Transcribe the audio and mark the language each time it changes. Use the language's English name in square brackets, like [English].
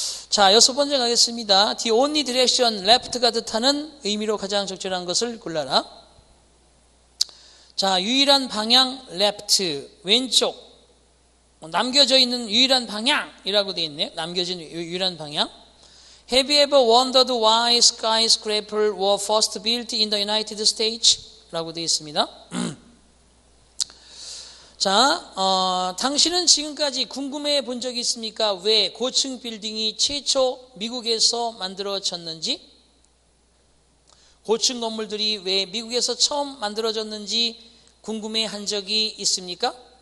[Korean] 자, 6번째 가겠습니다. [English] The only direction left [Korean] 가 뜻하는 의미로 가장 적절한 것을 골라라. 자, 유일한 방향 left, 왼쪽, 남겨져 있는 유일한 방향이라고 되어 있네요. 남겨진 유일한 방향. [English] Have you ever wondered why skyscrapers were first built in the United States? [Korean] 라고 되어 있습니다. 자, 당신은 지금까지 궁금해 본 적이 있습니까? 왜 고층 빌딩이 최초 미국에서 만들어졌는지? 고층 건물들이 왜 미국에서 처음 만들어졌는지 궁금해 한 적이 있습니까?